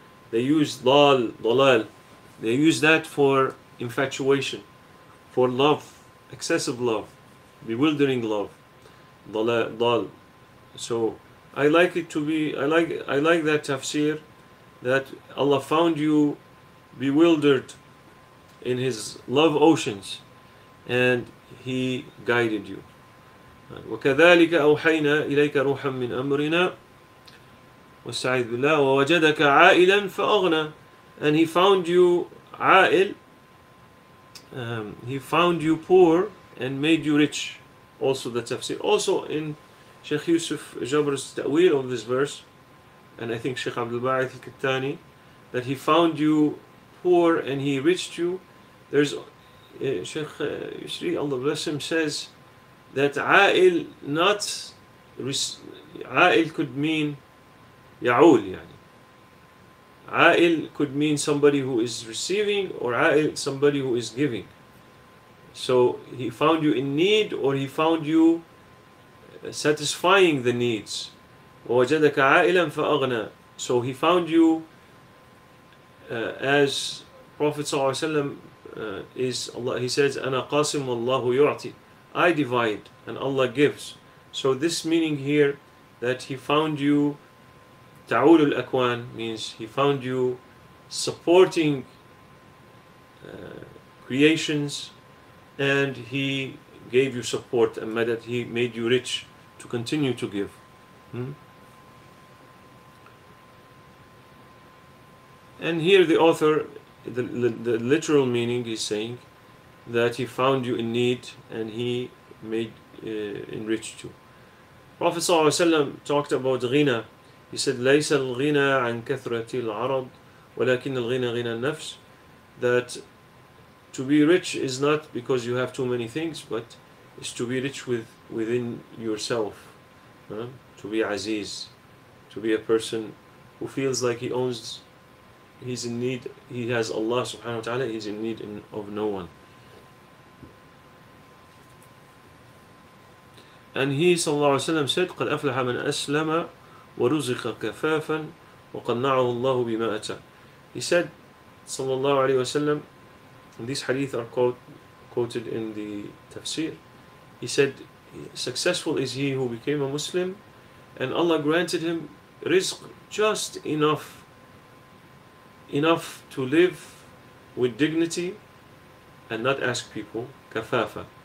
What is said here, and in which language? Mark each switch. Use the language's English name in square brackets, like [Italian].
[English] They use dalal. They use that for infatuation, for love, excessive love, bewildering love, dal. So I like it to be. I like that tafsir, that Allah found you bewildered in His love oceans, and He guided you. [Arabic] وكذلك أوحينا إليك روحا من أمرنا واستعيد بالله ووجدك عائلا فأغنى. [English] And He found you عائل. He found you poor and made you rich. Also the tafsir. Also in Shaykh Yusuf Jabr's ta'wil of this verse, and I think Shaykh Abdul Ba'ith al-Kittani, that He found you poor and He enriched you. There's Shaykh Yusri, Allah bless him, says that عائل not عائل could mean [Arabic] يعول يعني. [English] عائل could mean somebody who is receiving, or عائل somebody who is giving. So He found you in need, or He found you satisfying the needs. [Arabic] ووجدك عائلا فأغنى. [English] So He found you as Prophet صلى الله عليه وسلم is Allah. He says, [Arabic] أنا قاسم والله يعطي. [English] I divide and Allah gives. So this meaning here, that He found you [Arabic] تعول الأكوان, [English] means He found you supporting creations, and He gave you support and madad. He made you rich to continue to give. And here the author, the literal meaning is saying that He found you in need and He made enriched you. Prophet صلى الله عليه وسلم talked about ghina. He said, [Arabic] "ليس الغنى عن كثرة العرض ولكن الغنى غنى النفس." [English] That to be rich is not because you have too many things, but it's to be rich within yourself, to be aziz, to be a person who feels like he owns, he's in need, he has Allah subhanahu wa ta'ala, he's in need of no one. [Arabic] And he sallallahu alayhi wa sallam said, قَدْ أَفْلَحَ مَنْ أَسْلَمَ وَرُزِقَ كَفَافًا وَقَنَّعَهُ اللَّهُ بِمَا أَتَى. [English] He said sallallahu alayhi wa sallam, and these hadith are quoted in the tafsir, he said, successful is he who became a Muslim and Allah granted him rizq, just enough to live with dignity and not ask people, kafafa.